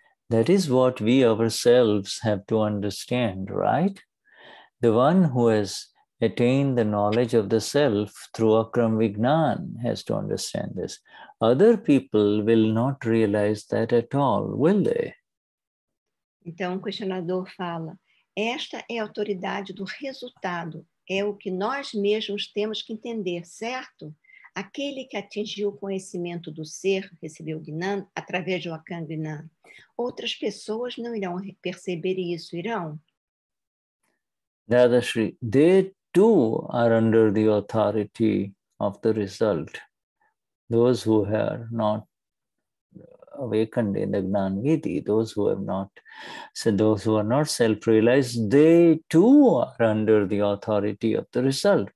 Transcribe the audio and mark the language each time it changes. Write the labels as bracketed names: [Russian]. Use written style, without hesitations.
[English] That is what we ourselves have to understand, right? The one who has attained the knowledge of the self through Akram Vignan has to understand this. Other people will not realize that at all, will they? [Portuguese] Então, o questionador fala, esta é a autoridade do resultado, é o que nós mesmos temos que entender, certo? Aquele que atingiu o conhecimento do ser, recebeu o Gnan, através do Akram Vignan. Outras pessoas não irão perceber isso, irão? [English] Dadashri, they too are under the authority of the result. Those who are not awakened in the Gnan Vidhi, those who are not self-realized, they too are under the authority of the result.